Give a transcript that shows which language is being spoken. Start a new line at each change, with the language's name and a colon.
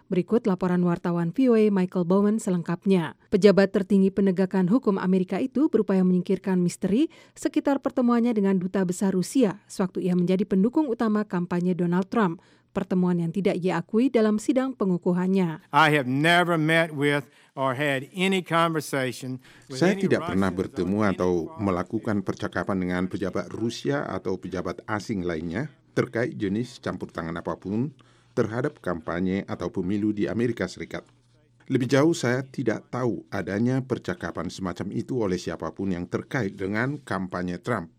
Indonesian: Berikut laporan wartawan VOA Michael Bowman selengkapnya. Pejabat tertinggi penegakan hukum Amerika itu berupaya menyingkirkan misteri sekitar pertemuannya dengan Duta Besar Rusia sewaktu ia menjadi pendukung utama kampanye Donald Trump, pertemuan yang tidak ia akui dalam sidang pengukuhannya.
English: I have never met with or had any conversation with any
Indonesian: Saya tidak pernah bertemu atau melakukan percakapan dengan pejabat Rusia atau pejabat asing lainnya terkait jenis campur tangan apapun terhadap kampanye atau pemilu di Amerika Serikat. Lebih jauh, saya tidak tahu adanya percakapan semacam itu oleh siapapun yang terkait dengan kampanye Trump.